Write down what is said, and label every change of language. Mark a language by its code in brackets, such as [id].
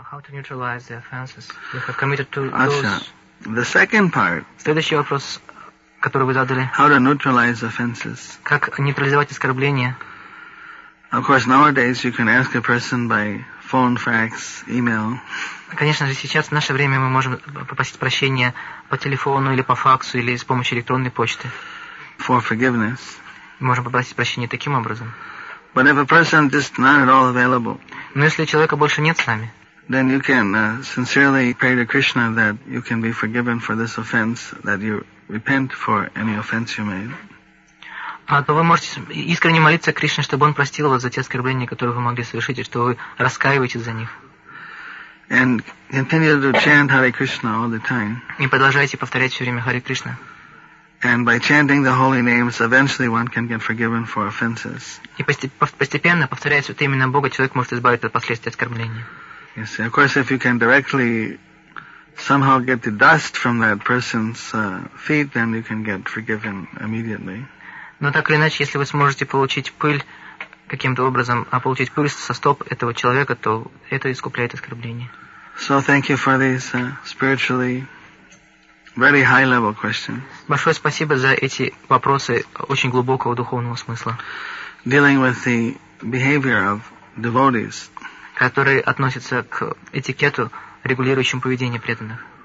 [en] Neutralize the offenses you have committed to those. The second part. [ru] Следующий вопрос, который вы задали. [en] How to neutralize offenses? [ru] Как нейтрализовать оскорбления? [en] Of course, nowadays you can ask a person by phone, fax, email. [ru] Конечно же, сейчас в наше время мы можем попросить прощения по телефону или по факсу или с помощью электронной почты. [en] For forgiveness. [ru] Мы можем попросить прощения таким образом. [en] But if a person is not at all available. [ru] Но если человека больше нет с нами. [en] Then you can sincerely pray to Krishna that you can be forgiven for this offense, that you repent for any offense you made. [ru] То вы можете искренне молиться Кришне, чтобы он простил вас за те оскорбления, которые вы могли совершить, и что вы раскаиваетесь за них. [en] And continue to chant Hare Krishna all the time. [ru] И продолжайте повторять все время Hare Krishna. [en] And by chanting the holy names, eventually one can get forgiven for offenses. [ru] И постепенно повторяя святое имя Бога, человек может избавиться от последствий оскорбления. [en] Yes, of course, if you can directly somehow get the dust from that person's feet, then you can get forgiven immediately. [ru] Но так или иначе, если вы сможете получить пыль каким-то образом, а получить пыль со стоп этого человека, то это искупляет оскорбление. [en] So thank you for this spiritually very high-level question. [ru] Большое спасибо за эти вопросы очень глубокого духовного смысла. [en] Dealing with the behavior of devotees. [ru] Которые относятся к этикету, регулирующему поведение преданных.